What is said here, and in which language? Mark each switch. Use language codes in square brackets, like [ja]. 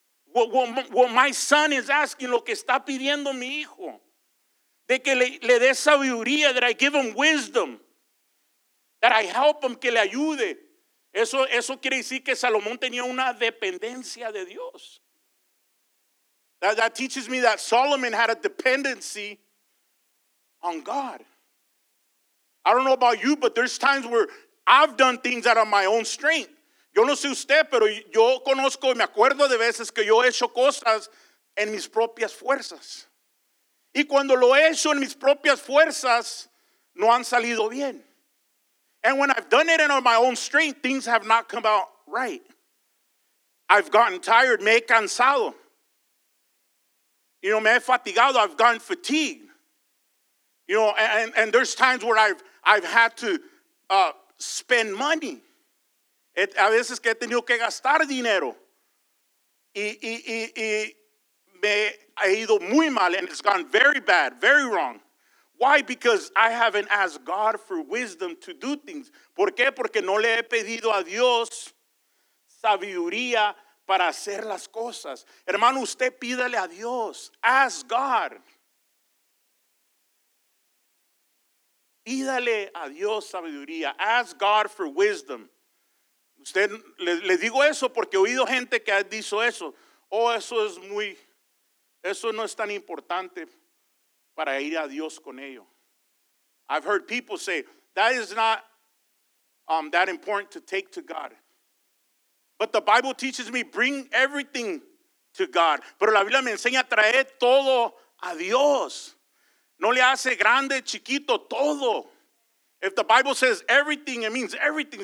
[en] What my son is asking, [es] lo que está pidiendo mi hijo, de que le dé sabiduría, [en] that I give him wisdom, that I help him, [es] que le ayude. Eso quiere decir que Salomón tenía una dependencia de Dios. [en] That teaches me that Solomon had a dependency on God. I don't know about you, but there's times where I've done things out of my own strength. [es] Yo no sé usted, pero yo conozco y me acuerdo de veces que yo he hecho cosas en mis propias fuerzas. Y cuando lo he hecho en mis propias fuerzas, no han salido bien. [en] And when I've done it in my own strength, things have not come out right. I've gotten tired, [es] me he cansado. [en] You know, [es] me he fatigado, [en] I've gotten fatigued. You know, and there's times where I've had to spend money. [es] A veces que he tenido que gastar dinero. Y me he ido muy mal, [en] and it's gone very bad, very wrong. Why? Because I haven't asked God for wisdom to do things. [es] ¿Por qué? Porque no le he pedido a Dios sabiduría para hacer las cosas. Hermano, usted pídale a Dios. [en] Ask God. [es] Pídale a Dios sabiduría. [en] Ask God for wisdom. [es] Usted, le digo eso porque he oído gente que ha dicho eso. Oh, eso es muy, eso no es tan importante para ir a Dios con ello. [en] I've heard people say, that is not that important to take to God. But the Bible teaches me, bring everything to God. [es] Pero la Biblia me enseña, traer todo a Dios. No le hace grande, chiquito, todo. [en] If the Bible says everything, it means everything.